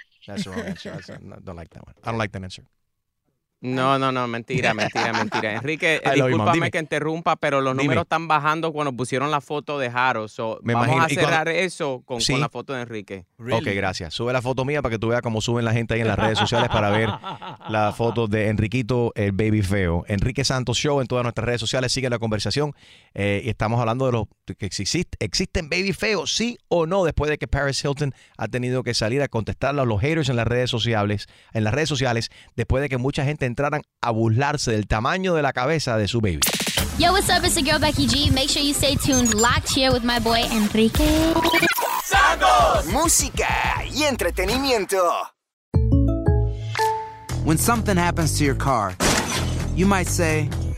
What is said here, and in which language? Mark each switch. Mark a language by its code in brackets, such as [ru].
[en] That's the wrong answer. I don't like that one. I don't like that answer. [es] No, mentira. Enrique, discúlpame que interrumpa, pero los números están bajando cuando pusieron la foto de Jaro. So, vamos imagino. A cerrar cuando... eso con la foto de Enrique. [en] Really? Ok, [es] gracias. Sube la foto mía para que tú veas cómo suben la gente ahí en las redes sociales para ver la foto de Enriquito, el baby feo. Enrique Santos Show en todas nuestras redes sociales. Sigue la conversación. Y estamos hablando de que existen baby feos, sí o no, después de que Paris Hilton ha tenido que salir a contestarlo a los haters en las redes sociales, después de que mucha gente entraran a burlarse del tamaño de la cabeza de su baby. [en] Yo, what's up? It's the girl Becky G. Make sure you stay tuned, locked here with my boy Enrique [es] Santos. Música y entretenimiento. [en] When something happens to your car, you might say,